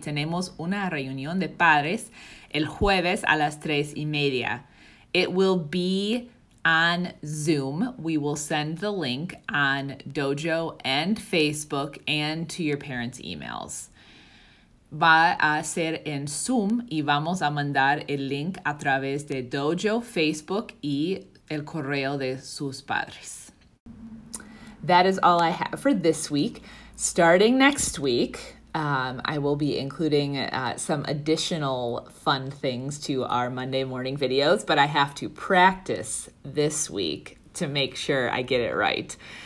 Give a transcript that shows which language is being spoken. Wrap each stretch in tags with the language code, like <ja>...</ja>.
<es>Tenemos una reunión de padres el jueves a las 3:30.</es> <en>It will be on Zoom. We will send the link on Dojo and Facebook and to your parents' emails.</en> <es>Va a ser en Zoom y vamos a mandar el link a través de Dojo, Facebook y el correo de sus padres.</es> <en>That is all I have for this week. Starting next week, I will be including some additional fun things to our Monday morning videos, but I have to practice this week to make sure I get it right.</en>